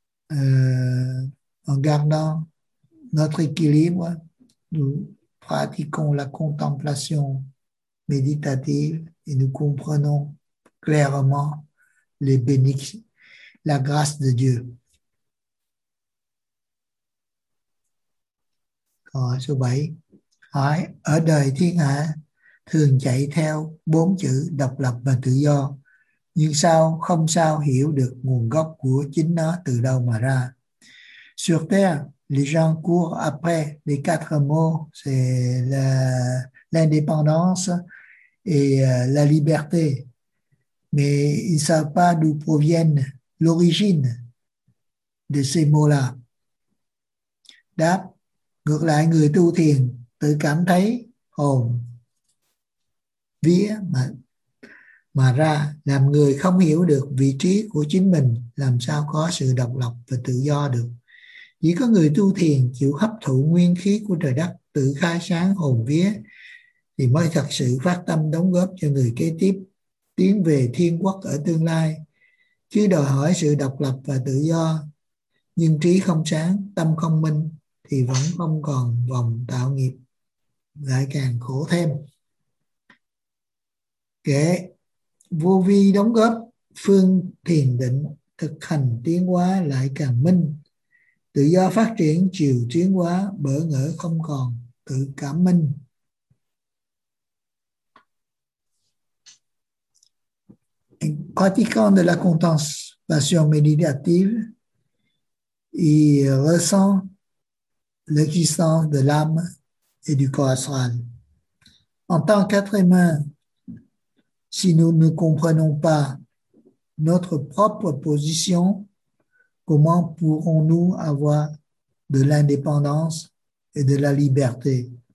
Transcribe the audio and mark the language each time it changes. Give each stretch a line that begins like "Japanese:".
French: En gardant notre équilibre, nous pratiquons la contemplation méditative et nous comprenons clairement les bénédictions, la grâce de Dieu.
Vietnamese: Còn số 7, hỏi ở đời thiên hạ thường chạy theo bốn chữ độc lập và tự do, nhưng sao không sao hiểu được nguồn gốc của chính nó từ đâu mà ra.
French: Sur terre, les gens courent après les quatre mots, c'est l'indépendance et la liberté, mais ils ne savent pas d'où proviennent l'origine de ces mots-là.
Vietnamese: Đáp, ngược lại người tu thiền tự cảm thấy hồn vía mà ra, làm người không hiểu được vị trí của chính mình, làm sao có sự độc lập và tự do được. Chỉ có người tu thiền chịu hấp thụ nguyên khí của trời đất, tự khai sáng hồn vía thì mới thật sự phát tâm đóng góp cho người kế tiếp tiến về thiên quốc ở tương lai. Chứ đòi hỏi sự độc lập và tự do nhưng trí không sáng, tâm không minh thì vẫn không còn vòng tạo nghiệp, lại càng khổ thêm. Kể vô vi đóng góp phương thiền định, thực hành tiến hóa lại càng minh, tự do phát triển chiều tiến hóa, bỡ ngỡ không còn tự cảm minh.
French: En pratiquant de la contemplation méditative, il ressent l'existence de l'âme et du corps astral. En tant qu'être humain, si nous ne comprenons pas notre propre position, comment pourrons-nous avoir de l'indépendance et de la liberté?